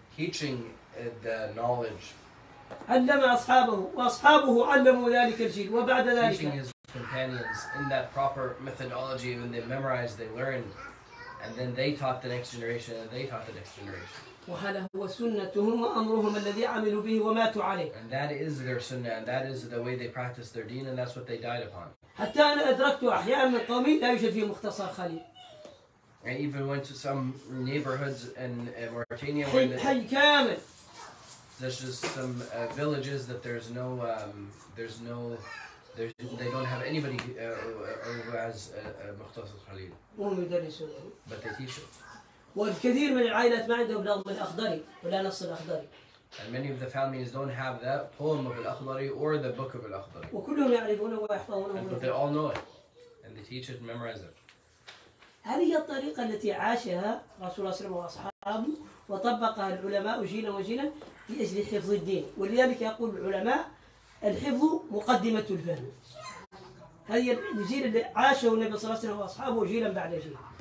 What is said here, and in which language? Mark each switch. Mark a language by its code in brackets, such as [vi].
[en] Teaching the knowledge. [ar] علم أصحابه وأصحابه علموا ذلك الجيل وبعد ذلك. [en] Teaching his companions in that proper methodology when they memorize, they learn, and then they taught the next generation, and they taught the next generation. And that is their sunnah, and that is the way they practice their deen, and that's what they died upon. I even went to some neighborhoods in Mauritania where there's just some villages that there's no, they don't have anybody who has a مختص الخليل. But they teach it. [ar] والكثير من العائلات ما عندهم نظم الأخضري ولا نص الأخضري. [en] And many of the families don't have that poem of الأخضري or the book of الأخضري. [ar] وكلهم يعرفونه ويحفظونه. [en] But they all know it, and they teach it, memorize it. [ar] هذه هي الطريقة التي عاشها رسول الله صلى الله عليه وسلم وطبقها العلماء جيلا وجيلا لأجل حفظ الدين. ولذلك يقول العلماء الحفظ مقدمة الفهم. هذه الجيل اللي عاشه النبي صلى الله عليه وسلم وأصحابه جيلا بعد جيل.